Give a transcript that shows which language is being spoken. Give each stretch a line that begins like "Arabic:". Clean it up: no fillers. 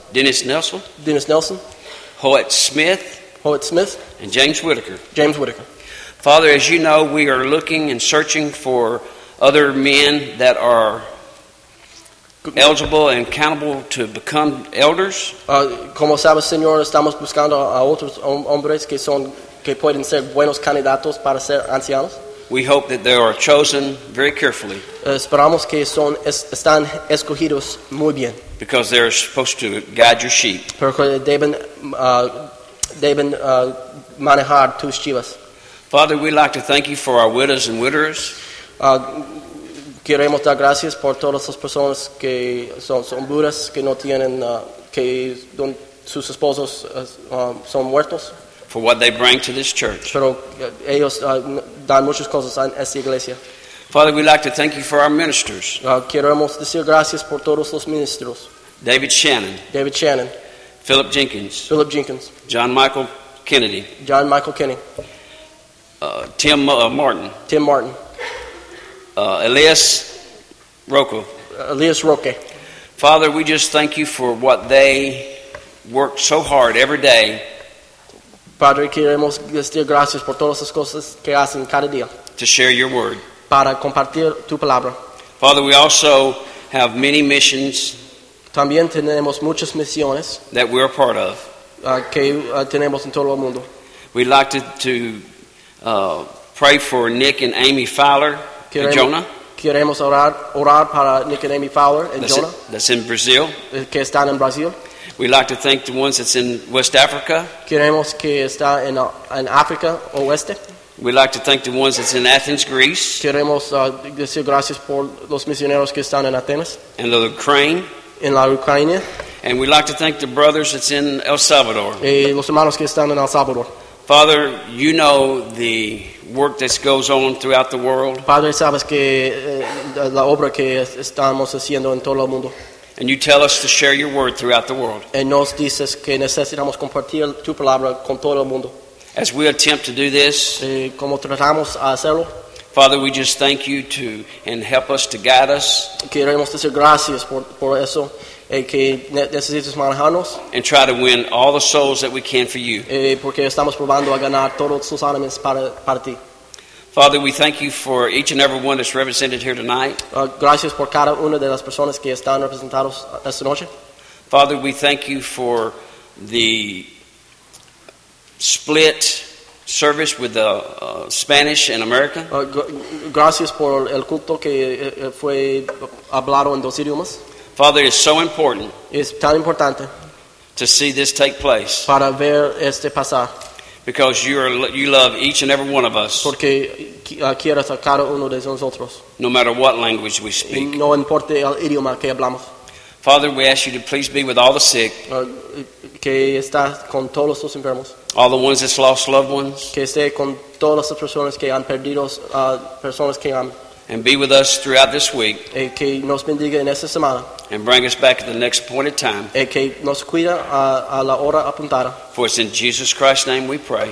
English: Dennis Nelson. Dennis Nelson. Hoyt Smith. Hoyt Smith. And James Whitaker. James Whitaker. Father, as you know, we are looking and searching for other men that are eligible and accountable to become elders.
Spanish: Como sabes, Señor, estamos buscando a otros hombres que son que pueden ser buenos candidatos para ser ancianos.
English: We hope that they are chosen very carefully.
Spanish: Esperamos que son están escogidos muy bien.
English: Because they are supposed to guide your sheep.
Spanish: Porque deben manejar tus chivas.
English: Father, we'd like to thank you for our widows and widowers.
Spanish: Queremos dar gracias por todas las personas que son viudas que no tienen que sus esposos son muertos.
English: For what they bring to this church.
Spanish: Pero ellos dan muchas cosas a esta iglesia.
English: Father, we'd like to thank you for our ministers.
Spanish: Queremos decir gracias por todos los ministros.
English: David Shannon. David Shannon. Philip Jenkins. Philip Jenkins. John Michael Kennedy. John Michael Kenny. Tim Martin. Tim Martin. Elias Roque. Elias Roque. Father, we just thank you for what they work so hard every day.
Spanish: Padre, queremos decir gracias por todas las cosas que hacen cada día.
English: To share your word.
Spanish: Para compartir tu palabra.
English: Father, we also have many missions.
Spanish: También tenemos muchas misiones.
English: That we are part of.
Spanish: Que tenemos en todo el mundo.
English: We'd like to pray for Nick and Amy Fowler and Jonah.
Spanish: Queremos orar para Nick and Amy Fowler and
English: that's Jonah. That's in Brazil.
Spanish: Que están en Brasil.
English: We like to thank the ones that's in West Africa.
Spanish: Queremos que está en África Oeste.
English: We like to thank the ones that's in Athens, Greece.
Spanish: Queremos decir gracias por los misioneros que están en Atenas.
English: In the Ukraine.
Spanish: En la Ucrania.
English: And we like to thank the brothers that's in El Salvador.
Spanish: Y los hermanos que están en El Salvador.
English: Father, you know the work that goes on throughout the world.
Spanish: Padre, sabes que la obra que estamos haciendo en todo el mundo.
English: And you tell us to share your word throughout the world.
Spanish: Y nos dices que necesitamos compartir tu palabra con todo el mundo.
English: As we attempt to do this,
Spanish: como tratamos a hacerlo,
English: Father, we just thank you to and help us to guide us.
Spanish: Queremos decir gracias por eso, que necesitas manejarnos.
English: And try to win all the souls that we can for you.
Spanish: Porque estamos probando a ganar todos los almas para ti.
English: Father, we thank you for each and every one that's represented here tonight.
Spanish: Gracias por cada una de las personas que están representados esta noche.
English: Father, we thank you for the split service with the Spanish and American.
Spanish: Gracias por el culto que fue hablado en dos idiomas.
English: Father, it's so important.
Spanish: Es tan importante.
English: To see this take place.
Spanish: Para ver este pasar.
English: Because you love each and every one of us.
Spanish: Porque quieres a cada uno de nosotros.
English: No matter what language we speak.
Spanish: No importa el idioma que hablamos.
English: Father, we ask you to please be with all the sick.
Spanish: Que estás con todos los enfermos.
English: All the ones that's lost loved ones.
Spanish: Que esté con todas las personas que han perdido personas que aman.
English: And be with us throughout this week.
Spanish: Y que nos bendiga en esta semana.
English: And bring us back at the next appointed time.
Spanish: Y que nos cuida a la hora apuntada.
English: For it's in Jesus Christ's name we pray.